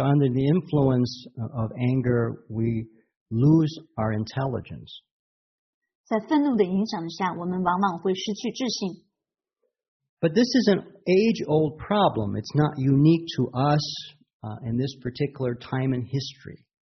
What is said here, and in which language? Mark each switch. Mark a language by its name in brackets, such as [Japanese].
[English] under the influence of anger, we lose our intelligence. [Chinese] 在愤怒的影响下，我们往往会失去智性。 [English] But this is an age-old problem. It's not unique to us in this particular time in history.